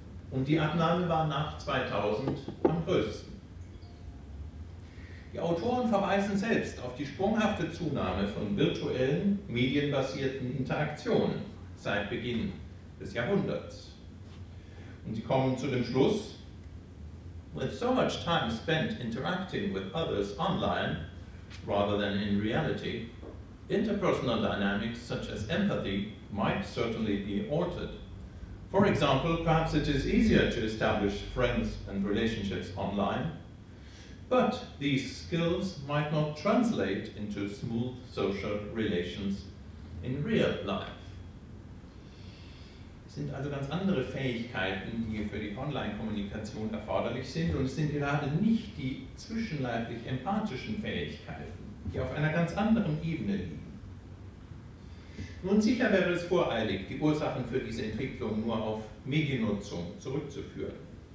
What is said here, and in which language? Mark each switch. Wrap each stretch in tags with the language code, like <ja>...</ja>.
<de>Und die Abnahme war nach 2000 am größten. Die Autoren verweisen selbst auf die sprunghafte Zunahme von virtuellen, medienbasierten Interaktionen seit Beginn des Jahrhunderts. Und sie kommen zu dem Schluss:</de> <en>With so much time spent interacting with others online rather than in reality, interpersonal dynamics such as empathy might certainly be altered. For example, perhaps it is easier to establish friends and relationships online, but these skills might not translate into smooth social relations in real life.</en> <de>Es sind also ganz andere Fähigkeiten, die für die Online-Kommunikation erforderlich sind, und es sind gerade nicht die zwischenleiblich empathischen Fähigkeiten, die auf einer ganz anderen Ebene liegen. Nun, sicher wäre es voreilig, die Ursachen für diese Entwicklung nur auf Mediennutzung zurückzuführen.</de>